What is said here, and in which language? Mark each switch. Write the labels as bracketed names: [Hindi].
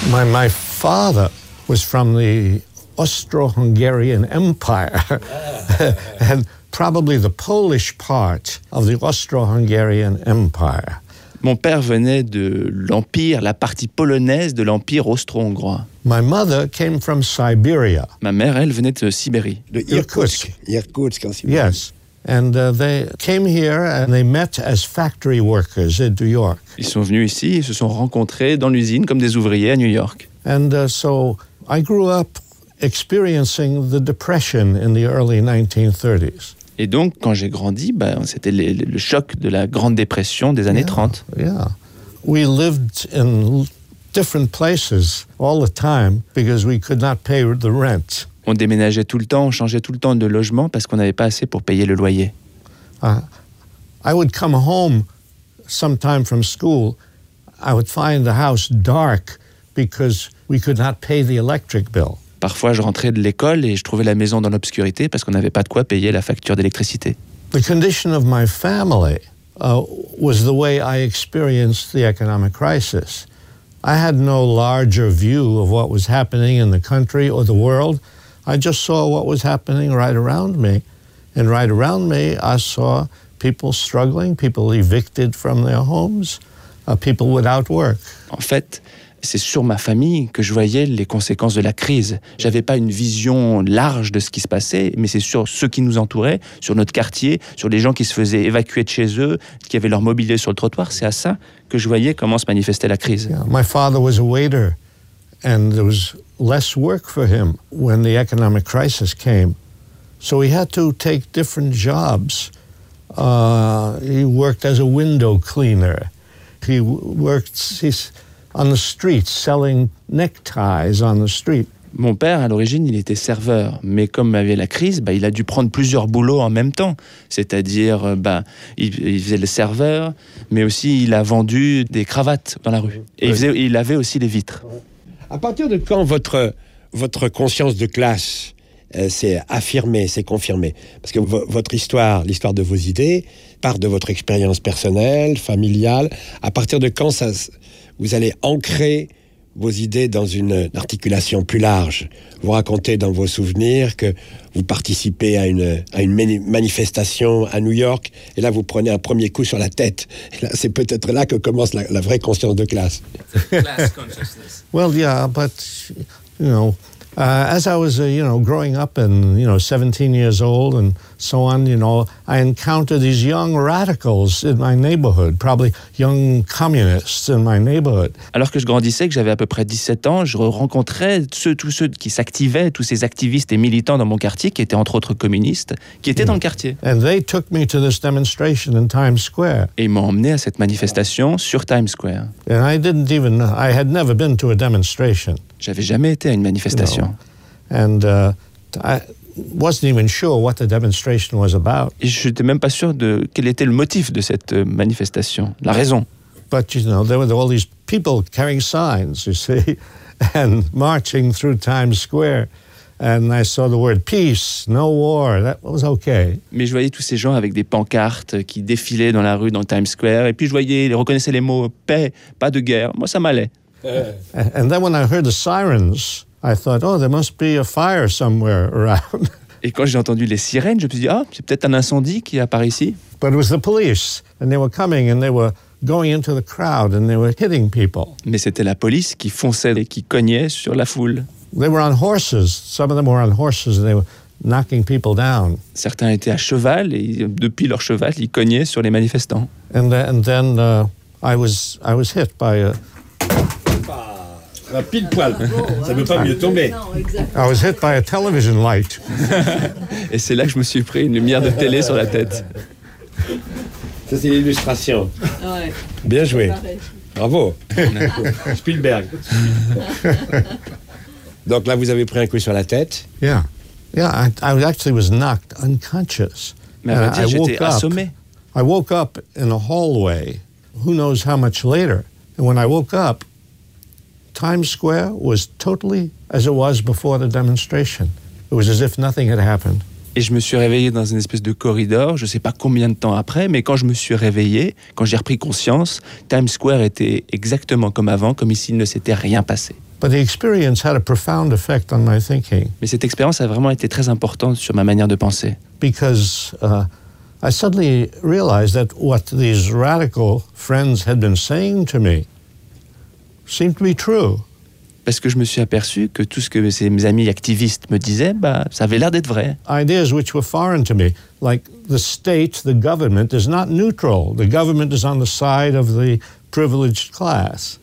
[English] My father was from the Austro-Hungarian Empire. And probably the Polish part of the Austro-Hungarian Empire. [French] Mon père venait de l'Empire, la partie polonaise de l'Empire austro-hongrois. [English] My mother came from Siberia. [French] Ma mère, elle, venait de Sibérie. De Irkoutsk. Irkoutsk en Sibérie. [English] Yes. And they came here and they met as factory workers in New York. [French] Ils sont venus ici et se sont rencontrés dans l'usine comme des ouvriers à New York. [English] And so I grew up experiencing the depression in the early 1930s. [French] Et donc, quand j'ai grandi, c'était le choc de la Grande Dépression des années 30. [English] Yeah. We lived in different places all the time because we could not pay the rent. [French] On déménageait tout le temps, on changeait tout le temps de logement parce qu'on n'avait pas assez pour payer le loyer. [English] I would come home sometime from school. I would find the house dark because we could not pay the electric bill. [French] Parfois, je rentrais de l'école et je trouvais la maison dans l'obscurité parce qu'on n'avait pas de quoi payer la facture d'électricité. [English] The condition of my family was the way I experienced the economic crisis. I had no larger view of what was happening in the country or the world. I just saw what was happening right around me. And right around me, I saw people struggling, people evicted from their homes, people without work. [French] En fait, c'est sur ma famille que je voyais les conséquences de la crise. Je n'avais pas une vision large de ce qui se passait, mais c'est sur ceux qui nous entouraient, sur notre quartier, sur les gens qui se faisaient évacuer de chez eux, qui avaient leur mobilier sur le trottoir. C'est à ça que je voyais comment se manifestait la crise. [English] Yeah. My father was a waiter, and there was less work for him when the economic crisis came. So he had to take different jobs. He worked as a window cleaner. On the street, selling neckties on the street. [French] Mon père, à l'origine, il était serveur. Mais comme il y avait la crise, il a dû prendre plusieurs boulots en même temps. C'est-à-dire, il faisait le serveur, mais aussi il a vendu des cravates dans la rue. Et il avait aussi les vitres. À partir de quand votre conscience de classe s'est affirmée, s'est confirmée? Parce que votre histoire, l'histoire de vos idées, part de votre expérience personnelle, familiale. À partir de quand vous allez ancrer vos idées dans une articulation plus large. Vous racontez dans vos souvenirs que vous participez à une manifestation à New York, et là vous prenez un premier coup sur la tête. Et là, c'est peut-être là que commence la vraie conscience de classe. [English] Well, yeah, but you know, as I was growing up and 17 years old and so on, I encountered these young radicals in my neighborhood, probably young communists in my neighborhood. [French] Alors que je grandissais, que j'avais à peu près 17 ans, je rencontrais tous ceux qui s'activaient, tous ces activistes et militants dans mon quartier qui étaient entre autres communistes, qui étaient dans le quartier. [English] And they took me to this demonstration in Times Square. [French] Et ils m'ont emmené à cette manifestation sur Times Square. [English] And I had never been to a demonstration. [French] J'avais jamais été à une manifestation. [English] Wasn't even sure what the demonstration was about. [French] Et je n'étais même pas sûr de quel était le motif de cette manifestation, la raison. [English] But there were all these people carrying signs, you see, and marching through Times Square, and I saw the word peace, no war. That was okay. [French] Mais je voyais tous ces gens avec des pancartes qui défilaient dans la rue dans Times Square, et puis je voyais, ils reconnaissaient les mots paix, pas de guerre. Moi, ça m'allait. [English] And then when I heard the sirens, I thought, oh, there must be a fire somewhere around. [French] Et quand j'ai entendu les sirènes, je me suis dit, c'est peut-être un incendie qui apparaît ici. [English] But it was the police, and they were coming, and they were going into the crowd, and they were hitting people. [French] Mais c'était la police qui fonçait et qui cognait sur la foule. [English] They were on horses. Some of them were on horses, and they were knocking people down. [French] Certains étaient à cheval, et depuis leur cheval, ils cognaient sur les manifestants. [English] And then I was hit by a... [French] Un pile poil, ça ne veut pas mieux tomber. [English] I was hit by a television light. [French] Et c'est là que je me suis pris une lumière de télé sur la tête. Ça, c'est l'illustration. Ouais. Bien joué. Bravo. Spielberg. Donc là, vous avez pris un coup sur la tête. [English] Yeah. Yeah, I actually was knocked unconscious. [French] Mais à vrai dire, j'étais assommé. [English] I woke up in a hallway, who knows how much later. And when I woke up, Times Square was totally as it was before the demonstration. It was as if nothing had happened. [French] Et je me suis réveillé dans une espèce de corridor, je ne sais pas combien de temps après, mais quand je me suis réveillé, quand j'ai repris conscience, Times Square était exactement comme avant, comme s'il ne s'était rien passé. [English] But the experience had a profound effect on my thinking. [French] Mais cette expérience a vraiment été très importante sur ma manière de penser. [English] Because I suddenly realized that what these radical friends had been saying to me seemed to be true. [French] Parce que je me suis aperçu que tout ce que mes amis activistes me disaient, bah, ça avait l'air d'être vrai. [English] Ideas which were foreign to me, like the state, the government is not neutral. The government is on the side of the privileged class.